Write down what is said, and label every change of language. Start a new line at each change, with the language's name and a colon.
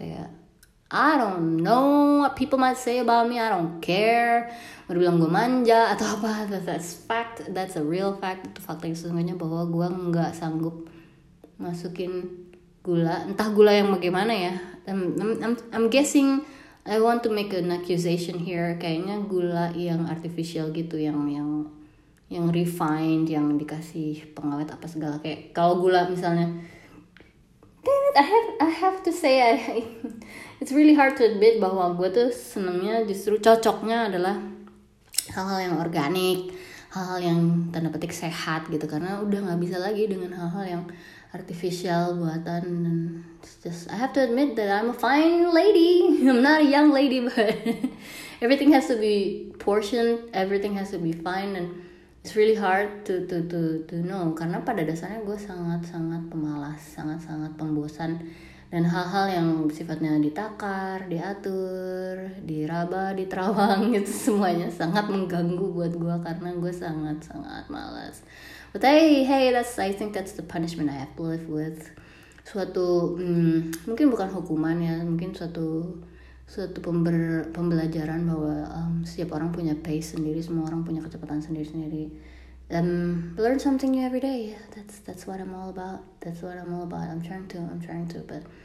English: Kayak I don't know what people might say about me, I don't care.
Indonesian: Mereka bilang gue manja atau apa,
English: that's fact, that's a real fact.
Indonesian: Itu fakta yang sesungguhnya bahwa gue gak sanggup masukin gula. Entah gula yang bagaimana ya.
English: I'm guessing, I want to make an accusation here.
Indonesian: Kayaknya gula yang artificial gitu, yang refined, yang dikasih pengawet apa segala. Kayak kalau gula misalnya,
English: damn it, I have to say it's really hard to admit
Indonesian: bahwa gue tuh senangnya justru cocoknya adalah hal-hal yang organik, hal-hal yang tanda petik sehat gitu, karena udah nggak bisa lagi dengan hal-hal yang artificial buatan.
English: Just I have to admit that I'm a fine lady, I'm not a young lady, but everything has to be portioned, everything has to be fine, and it's really hard to know,
Indonesian: karena pada dasarnya gue sangat-sangat pemalas, sangat-sangat pembosan, dan hal-hal yang sifatnya ditakar, diatur, diraba, diterawang, itu semuanya sangat mengganggu buat gue karena gue sangat-sangat malas.
English: But hey, I think that's the punishment I have to live with.
Indonesian: Suatu mungkin bukan hukuman ya, mungkin suatu pembelajaran bahwa setiap orang punya pace sendiri, semua orang punya kecepatan sendiri.
English: Learn something new every day. That's what I'm all about. I'm trying to, but